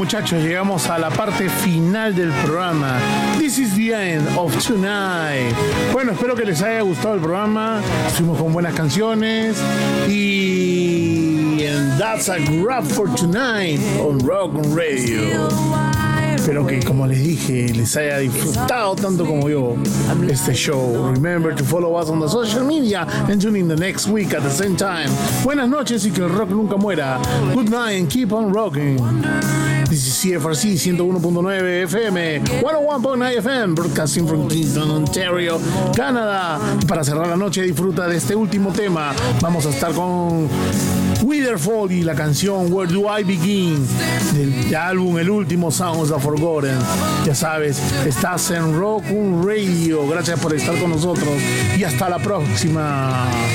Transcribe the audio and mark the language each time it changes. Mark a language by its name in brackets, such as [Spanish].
[Spanish] muchachos, llegamos a la parte final del programa. [English] This is the end of tonight. [Spanish] Bueno, espero que les haya gustado el programa. Estuvimos con buenas canciones. [English] Y and that's a wrap for tonight on Rock Radio. [Spanish] Espero que, como les dije, les haya disfrutado tanto como yo este show. [English] Remember to follow us on the social media and tune in the next week at the same time. [Spanish] Buenas noches y que el rock nunca muera. [English] Good night and keep on rocking. This is CFRC 101.9 FM, 101.9 FM, broadcasting from Kingston, Ontario, Canadá. [Spanish] Para cerrar la noche, disfruta de este último tema. Vamos a estar con Witherfall y la canción Where Do I Begin, del álbum El Último, Sounds of Forgotten. Ya sabes, estás en Rock Un Radio. Gracias por estar con nosotros y hasta la próxima.